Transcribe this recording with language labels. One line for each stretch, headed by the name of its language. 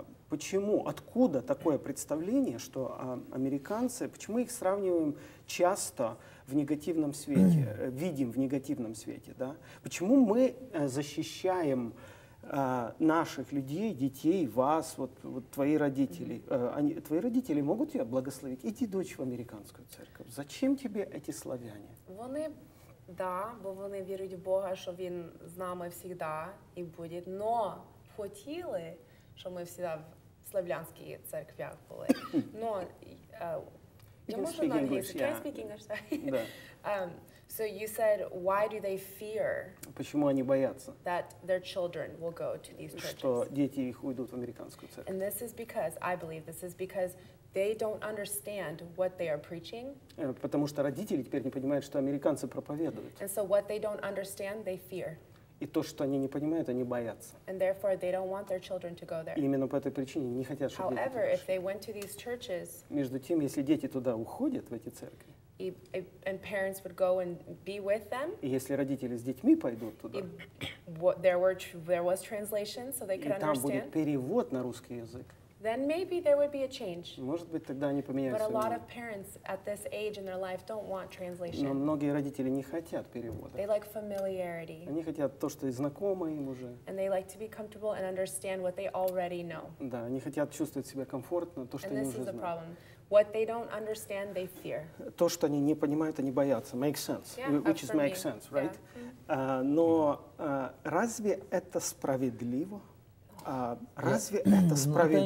Russian: Почему, откуда такое представление, что американцы, почему их сравниваем часто в негативном свете, видим в негативном свете, да? Почему мы защищаем наших людей, детей, вас, вот твои родители? Твои родители могут тебя благословить? Иди, дочь, в американскую церковь. Зачем тебе эти славяне? Они, да,
Ukrainian: бо вони вірять в Бога, що він з нами завжди і буде, но хотіли, щоб ми завжди в славянській церкві були. Но
English: You can speak English, yeah. Can I speak English? So you said, why do they fear?
Russian: Почему они боятся?
English: That their children will go to these churches.
Russian: Что дети их уйдут в американскую церковь.
English: And this is because, I believe, this is because they don't understand what they are preaching.
Russian: Потому что родители теперь не понимают, что американцы проповедуют.
English: And so what they don't understand, they fear.
Russian: И то, что они не понимают, они боятся.
English: And therefore they don't want their children to go there.
Russian: Именно по этой причине не хотят, чтобы дети.
English: However, if they went to these churches.
Russian: Между тем, если дети туда уходят, в эти церкви.
English: And parents would go and be with them.
Russian: И если родители с детьми пойдут туда.
English: There was translation, so they could understand.
Russian: И там будет перевод на русский язык.
English: Then maybe there would be a change.
Russian: Может быть, тогда они поменяют свою жизнь.
English: But a lot of parents at this age in their life don't want translation.
Russian: Но многие родители не хотят перевода.
English: They like familiarity.
Russian: Они хотят то, что знакомо им уже.
English: And they like to be comfortable and understand what they already know.
Russian: Да, они хотят чувствовать себя комфортно, то, что они уже знают.
English: And this is the problem. What they don't understand, they fear.
Russian: То, что они не понимают, они боятся.
English: Makes sense. Yeah, which is makes sense, right? Yeah.
Russian: Разве это справедливо? Разве это справедливо?